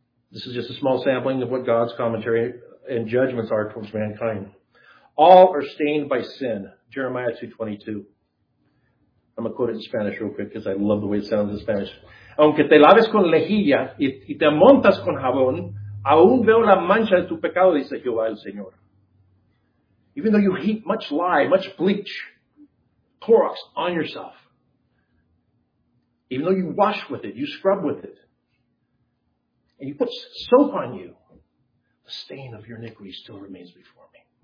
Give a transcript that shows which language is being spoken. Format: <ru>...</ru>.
<en>This is just a small sampling of what God's commentary and judgments are towards mankind. All are stained by sin. Jeremiah 2:22. I'm going to quote it in Spanish real quick, because I love the way it sounds in Spanish.</en> <es>Aunque te laves con lejilla y te montas con jabón, aún veo la mancha de tu pecado, dice Jehová el Señor.</es> <en>Even though you heap much lye, much bleach, Clorox on yourself, even though you wash with it, you scrub with it, and you put soap on you, the stain of your iniquity still remains before me.</en>